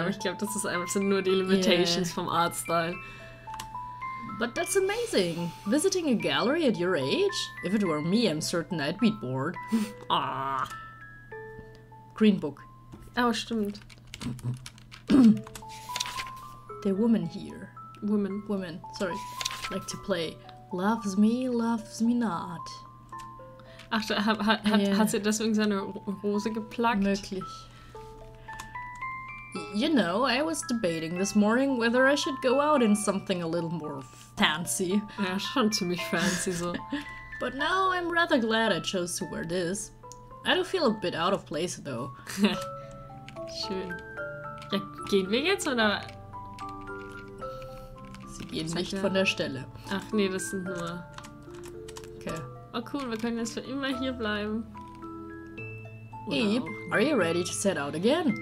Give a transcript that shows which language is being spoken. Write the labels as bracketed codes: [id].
[de] Aber ich glaube, das ist einfach so nur die [en] limitations [de] vom [en] art style. But that's amazing. Visiting a gallery at your age? If it were me, I'm certain I'd be bored. Ah. Green book. [de] Oh, stimmt. [en] The woman here. Woman. Woman, sorry. Like to play loves me not. [de] Ach, hat sie deswegen seine Hose geplagt? Möglich. [en] You know, I was debating this morning whether I should go out in something a little more fancy. [de] Ja, schon ziemlich fancy so. [en] But now I'm rather glad I chose to wear this. I do feel a bit out of place though. [de] Schön. Ja, gehen wir jetzt oder? Sie gehen nicht von der Stelle. Ach nee, das sind nur. [en] Okay. Oh cool, [de] wir können jetzt für immer hier bleiben. [en] Eve, are you ready to set out again?